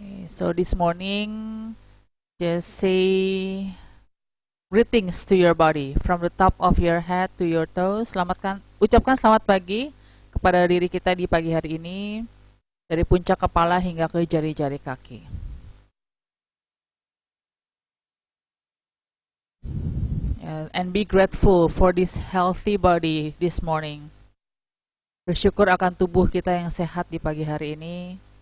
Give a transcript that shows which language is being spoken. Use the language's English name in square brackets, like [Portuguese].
[English] So this morning, just say greetings to your body from the top of your head to your toes. [Indonesian] Selamatkan, ucapkan selamat pagi kepada diri kita di pagi hari ini dari puncak kepala hingga ke jari-jari kaki. [English] And be grateful for this healthy body this morning. [Indonesian] Bersyukur akan tubuh kita yang sehat di pagi hari ini.